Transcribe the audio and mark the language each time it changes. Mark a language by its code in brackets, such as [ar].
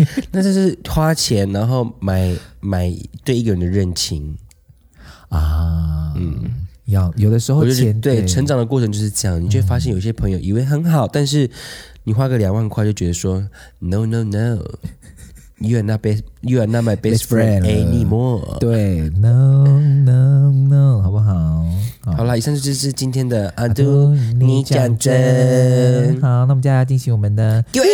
[zh] 那就是花钱，然后买对一个人的认清啊。要有的时候钱，对，成长的过程就是这样，你就会发现有些朋友以为很好，但是你花个20000就觉得说 [en] no no no。 You are not my best friend anymore. [zh] 对 ， [en] no no no， [zh] 好不好？好了，以上就是今天的阿杜，你讲真。好，那我们接下来进行我们的